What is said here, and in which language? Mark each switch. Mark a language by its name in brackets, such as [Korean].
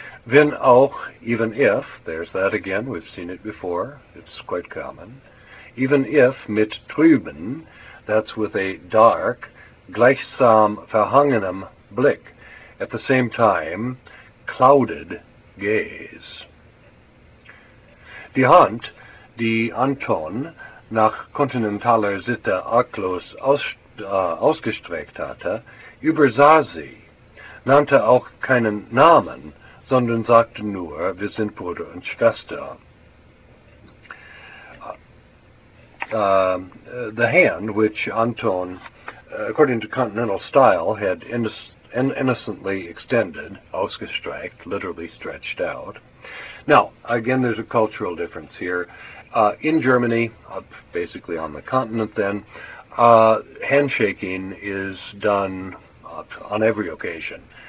[German] Wenn auch, [English] even if, there's that again, we've seen it before, it's quite common, even if [German] mit trüben, [English] that's with a dark, [German] gleichsam verhangenem Blick, [English] at the same time, clouded gaze. [German] Die Hand, die Anton nach kontinentaler Sitte arglos ausgestreckt hatte, übersah sie, nannte auch keinen Namen, sondern sagte nur, wir sind Bruder und Schwester. [English] The hand, which Anton, according to continental style, had innocently extended, ausgestreckt, literally stretched out. Now, again, there's a cultural difference here. In Germany, basically on the continent then, handshaking is done on every occasion.